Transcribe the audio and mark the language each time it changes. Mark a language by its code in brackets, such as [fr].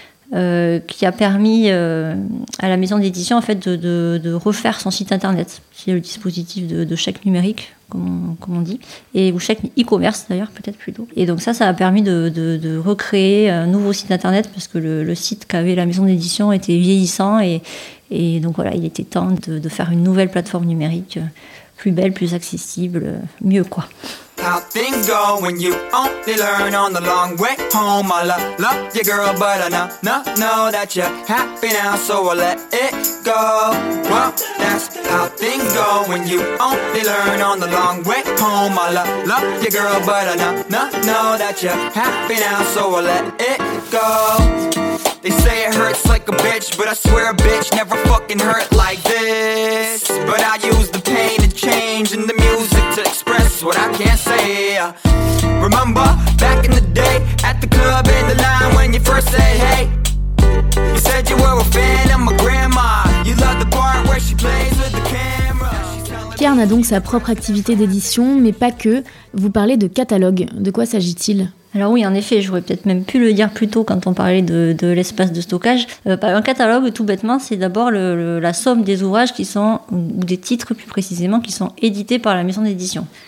[fr] qui a permis à la maison d'édition en fait, de refaire son site internet, qui est le dispositif de chèque numérique, comme on dit, et, ou chèque e-commerce d'ailleurs, peut-être plutôt. Et donc ça a permis de recréer un nouveau site internet, parce que le site qu'avait la maison d'édition était vieillissant, et donc voilà, il était temps de faire une nouvelle plateforme numérique, plus belle, plus accessible, mieux quoi. [en] How things go when you only learn on the long way home. I love your girl, but I know that you're happy now, so I let it go. Well, that's how things go when you only learn on the long way home. I love your girl, but I know that you're happy now, so I let it go. They say it hurts like a bitch, but I swear a bitch never fucking hurt like this. But I use the pain to change and the music to express what I can't say. Remember back in the day at the club in the line when you first said hey. You said you were a fan of my grandma. You love the part where she plays with the camera. [fr] Kern a donc sa propre activité d'édition, mais pas que. Vous parlez de catalogue. De quoi s'agit-il ? Alors oui, en effet, j'aurais peut-être même pu le dire plus tôt quand on parlait de l'espace de stockage. Un catalogue, tout bêtement, c'est d'abord la somme des ouvrages qui sont, ou des titres plus précisément, qui sont édités par la maison d'édition.